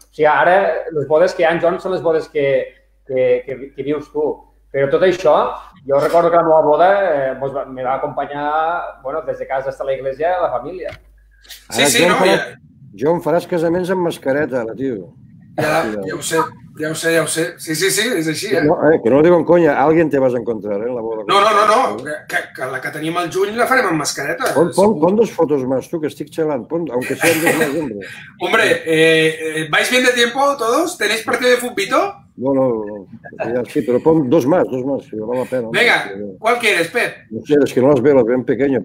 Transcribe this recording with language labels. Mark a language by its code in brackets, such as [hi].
[ca] Ara les bodes que hi ha, Joan, són les bodes que vius tu. Però tot això, jo recordo que la meva boda me va acompanyar des de casa fins a la Iglesia la família. Joan, faràs casaments amb mascareta, la tio. [es] Ya lo sé. Sí, es así. Que no lo digo en coña, alguien te vas a encontrar en la boda. No. [ca] Que la que tenim al juny la farem amb mascareta. [es] Pon dos fotos más tú, [ca] que estic xalant. [es] Aunque sean dos más, hombre. Hombre, ¿vais bien de tiempo todos? ¿Tenéis partido de fútbito? No, sí, pero pon dos más, que vale la pena. Venga, ¿cuál quieres, Pep? No sé, es que no las veo, las veo pequeñas.